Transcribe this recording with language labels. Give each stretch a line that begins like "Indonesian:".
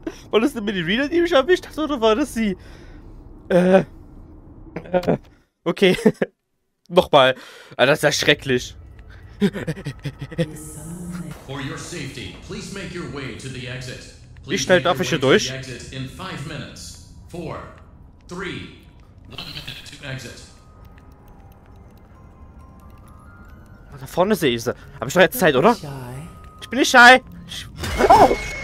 German: War das eine Mini-Rina, die mich erwischt hat, oder war das sie? Okay. Nochmal. Alter, das ist ja schrecklich.
English: For your safety, please make your way to the exit.
German: Wie schnell darf ich hier durch? In 5 Minuten. 4, 3, 1 Minute
English: to exit.
German: Da vorne sehe ich sie. Hab ich doch jetzt Zeit, oder? Ich bin nicht shy. Oh!